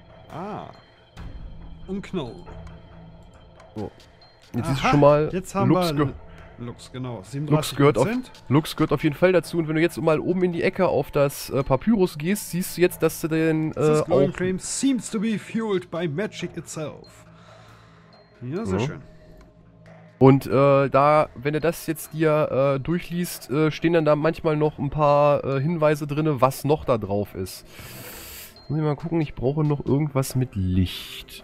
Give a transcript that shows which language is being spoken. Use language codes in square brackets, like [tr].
[de] Ah. Und Knoll. So. Jetzt ist schon mal jetzt haben Lux, wir Lux, genau. 37%. Lux gehört auf jeden Fall dazu. Und wenn du jetzt mal oben in die Ecke auf das Papyrus gehst, siehst du jetzt, dass du den. [en] This glowing flame seems to be fueled by magic itself. [de] Ja, sehr schön. Und da, wenn du das jetzt dir durchliest, stehen dann da manchmal noch ein paar Hinweise drin, was noch da drauf ist. Muss ich mal gucken, ich brauche noch irgendwas mit Licht.